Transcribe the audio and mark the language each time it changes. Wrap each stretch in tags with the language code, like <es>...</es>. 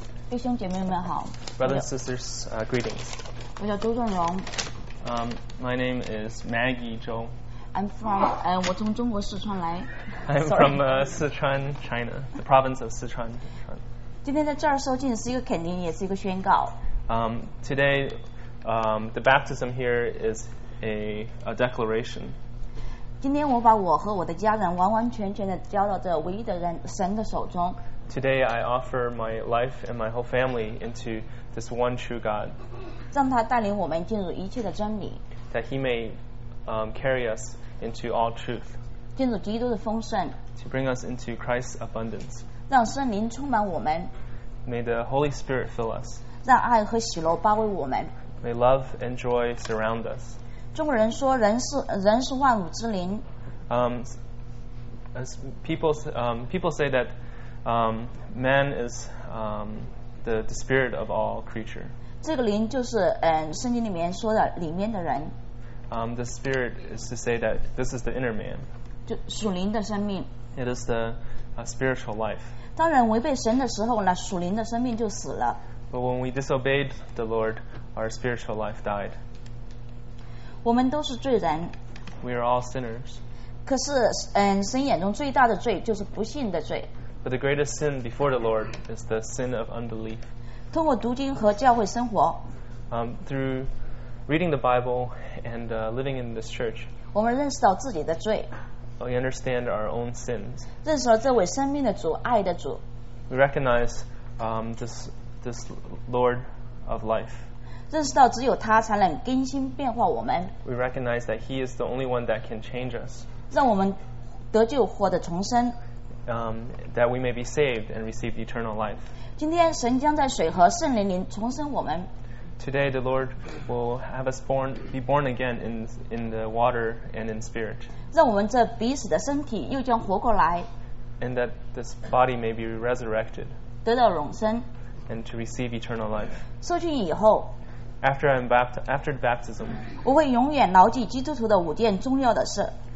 <zh>弟兄姐妹们好。</zh> <en>Brothers and sisters, greetings.</en> <zh>我叫周仲荣。</zh> <en>My name is Maggie Zhou. I'm from</en> <zh>我从中国四川来。</zh> <en>I'm from Sichuan, China, the province of Sichuan.</en> <zh>今天在这儿受浸是一个肯定，也是一个宣告。</zh> <en>Today, the baptism here is a declaration.</en> <zh>今天我把我和我的家人完完全全的交到这唯一的人神的手中。</zh> <en>Today I offer my life and my whole family into this one true God.</en> <zh>让他带领我们进入一切的真理。</zh> <en>That He may carry us into all truth.</en> <zh>进入基督的丰盛。</zh> <en>To bring us into Christ's abundance.</en> <zh>让圣灵充满我们。</zh> <en>May the Holy Spirit fill us.</en> <zh>让爱和喜乐包围我们。</zh> <en>May love and joy surround us.</en> <zh>中国人说人是万物之灵。</zh> <en>As people say that. Man is the spirit of all creature.</en> <zh>这个灵就是圣经里面说的里面的人。</zh> <en>The spirit is to say that this is the inner man.</en> <zh>就属灵的生命。</zh> <en>It is the spiritual life.</en> <zh>当人违背神的时候呢，属灵的生命就死了。</zh> <en>But when we disobeyed the Lord, our spiritual life died.</en> <zh>我们都是罪人。</zh> <en>We are all sinners.</en> <zh>可是神眼中最大的罪就是不信的罪。</zh> <en>But the greatest sin before the Lord is the sin of unbelief.</en> <zh>通过读经和教会生活。</zh> <en>Through reading the Bible and living in this church.</en> <zh>我们认识到自己的罪。</zh> <en>We understand our own sins.</en> <zh>认识了这位生命的主，爱的主。</zh> <en>We recognize this Lord of life.</en> <zh>认识到只有他才能更新变化我们。</zh> <en>We recognize that He is the only one that can change us.</en> <zh>让我们得救，活得重生。</zh> <en>That we may be saved and receive eternal life.</en> <zh>今天神将在水和圣灵里重生我们。</zh> <en>Today the Lord will have us be born again in the water and in spirit.</en> <zh>让我们这彼此的身体又将活过来。</zh> <en>And that this body may be resurrected.</en> <zh>得到永生。</zh> <en>And to receive eternal life.</en> <zh>受浸以后。</zh> <en>After the baptism.</en> <zh>我会永远牢记基督徒的五件重要的事。</zh>